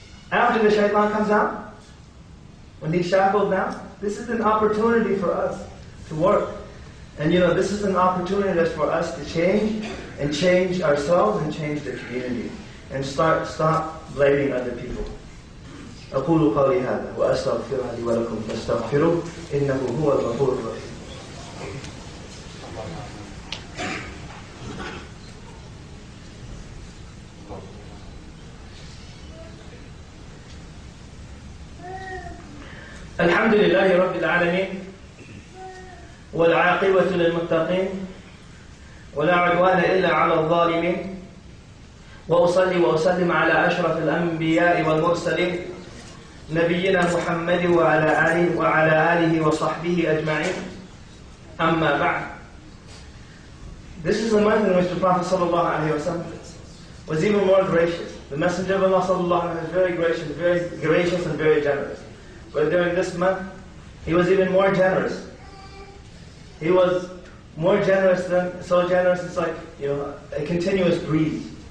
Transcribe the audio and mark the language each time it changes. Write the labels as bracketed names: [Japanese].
[English] After the shaytan comes out, when he's shackled now, this is an opportunity for us to work. And you know, this is an opportunity that's for us to change and change ourselves and change the community. And stop blaming other people. [Arabic] أقول قولي هذا وأستغفر لي ولكم فاستغفروا إنه هو الغفور الرحيم. الحمد لله رب العالمين والعاقبة للمتقين ولا عدوان إلا على الظالمين وأصلي وأسلم على أشرف الأنبياء والمرسلين نبينا محمد وعلى آله وصحبه أجمعين أما بعد. [English] This is the month in which the Prophet [Arabic] صلى الله عليه وسلم [English] was even more gracious. The Messenger of Allah [Arabic] صلى الله عليه وسلم [English] was very gracious and very generous. But during this month, he was even more generous. He was more generous than, so generous, it's like, you know, a continuous breeze.